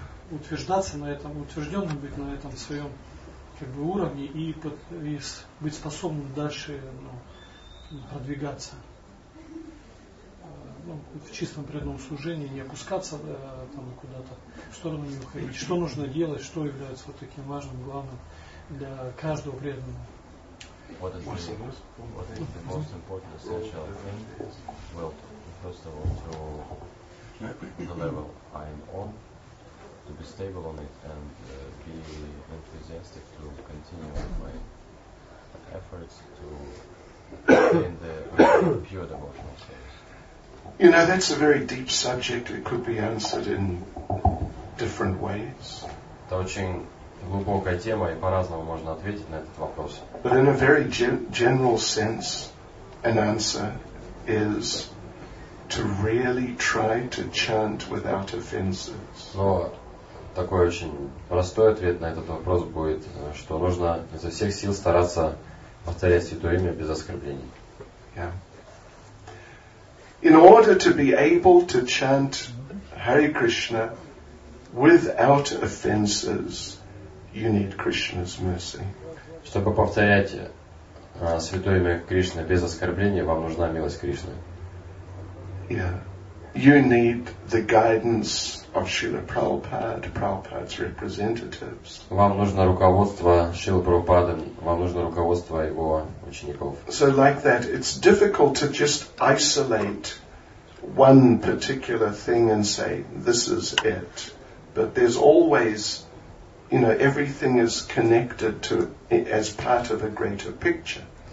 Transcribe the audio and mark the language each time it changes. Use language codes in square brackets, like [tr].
[ru] утвержденным быть на этом своем как бы уровне и быть способным дальше, ну, продвигаться, ну, в чистом преданном служении, не опускаться там куда-то в сторону, не уходить. Что нужно делать, что является вот таким важным, главным для каждого преданного? [en] What is the most important essential thing? Well, first of all, to the level I'm on, to be stable on it and be enthusiastic to continue my efforts to gain the pure devotional service. You know, that's a very deep subject. It could be answered in different ways. [ru] Это очень глубокая тема, и по-разному можно ответить на этот вопрос. [en] But in a very general sense, an answer is to really try to chant without offenses. [ru] Такой очень простой ответ на этот вопрос будет, что нужно изо всех сил стараться повторять Святое Имя без оскорблений. [en] Yeah. In order to be able to chant Hare Krishna without offenses, you need Krishna's mercy. [ru] Чтобы повторять Святое Имя Кришны без оскорблений, вам нужна милость Кришны. [en] Yeah. You need the guidance of Srila Prabhupada, Prabhupada's representatives. [ru] Вам нужно руководство Шрилы Прабхупады, вам нужно руководство его учеников. [en] So like that, it's difficult to just isolate one particular thing and say, this is it. But there's always, you know, everything is connected to as part of a greater picture.